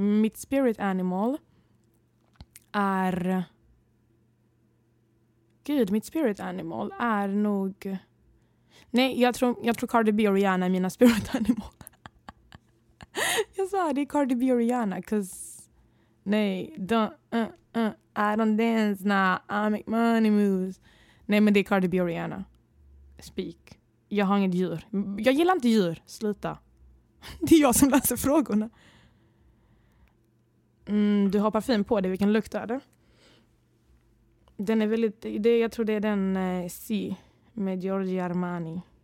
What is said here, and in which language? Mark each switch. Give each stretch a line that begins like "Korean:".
Swedish: Mitt spirit animal är... Gud, mitt spirit animal är nog... Nej, jag tror Cardi B och Rihanna är mina spirit animal. Jag sa det, Cardi B och Rihanna, cause...
English: Nej, I don't dance now, I make money moves.
Swedish: Nej, men det är Cardi B och Rihanna. Speak. Jag har inget djur. Jag gillar inte djur, sluta. Det är jag som läser frågorna. Du har parfym på dig. Vilken lukt är det? Den är väldigt... jag tror det är den C. Med Giorgio Armani.